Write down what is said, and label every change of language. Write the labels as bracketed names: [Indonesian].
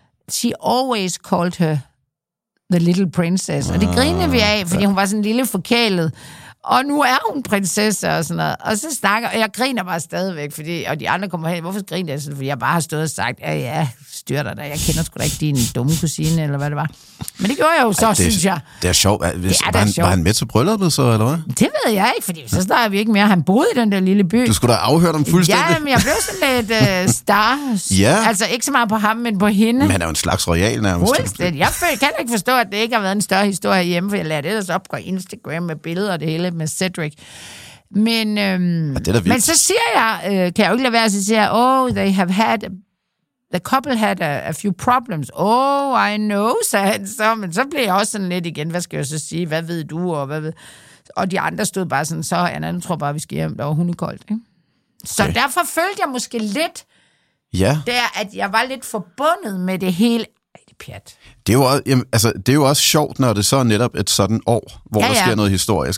[English] She always called her the little princess. [Danish] Og det grinede vi af, fordi hun var sådan lille forkælet. Og nu er hun prinsesse og sådan noget. Og så snakker, og jeg griner bare stadigvæk, fordi, og de andre kommer hen, hvorfor griner jeg sådan? Fordi jeg bare har stået og sagt, ja, styr dig da, jeg kender sgu da ikke din dumme kusine, eller hvad det var. Men det gjorde jeg jo så, synes jeg. Det er sjovt. Var han med til brylluppet så, eller hvad? Det ved jeg ikke, fordi så snakker vi ikke mere. Han boede i den der lille by. Du skulle da afhøre dem fuldstændig. Ja, men jeg blev sådan lidt star. Ja. Altså ikke så meget på ham, men på hende. Men han er jo en slags royal nærmest. Jeg kan ikke forstå, at det ikke har været en større historie hjemme, for jeg lader det ellers op på Instagram med billeder og det hele med Cedric. Men, det er da vildt. Men så siger jeg, kan jeg jo ikke lade være, så siger jeg, [English] they have had... the couple had a few problems. Oh, I know, [Danish] sagde han så. Men så blev jeg også sådan lidt igen, hvad skal jeg så sige? Hvad ved du? Og, hvad ved? Og de andre stod bare sådan, så en anden tror bare, vi skal hjem, der var hundekoldt. Ikke? Så okay. Derfor følte jeg måske lidt, ja. Der, at jeg var lidt forbundet med det hele. Det er, jo, jamen, altså, det er jo også sjovt, når det så er netop et sådan år, hvor ja, ja. Der sker noget historisk.